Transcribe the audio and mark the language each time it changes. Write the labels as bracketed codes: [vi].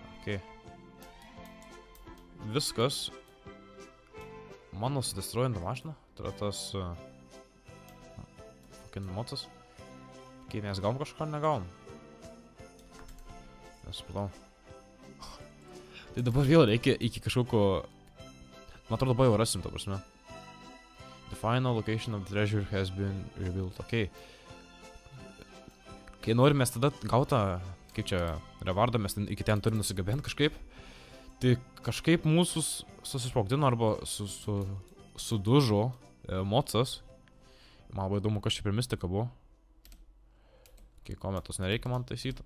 [lt] Ok. Viskas. Mano sudestruojantą mašiną. Tai yra tas... Fuckin' motas. Ok, mes gavom kažką, negavom. Nesupratau. Tai dabar vėl reikia iki kažkokio... Man atrodo, dabar jau rasim, ta prasme. [en] The final location of the treasure has been revealed. Ok. [lt] Kai norim mes tada gautą, kaip čia, revardą, mes iki ten turim nusigabinti kažkaip. Tai kažkaip mūsų susispaugdino arba sudužo mocas. Man labai įdomu, kas čia prie mistika buvo. Ok, kometos nereikia man taisyti.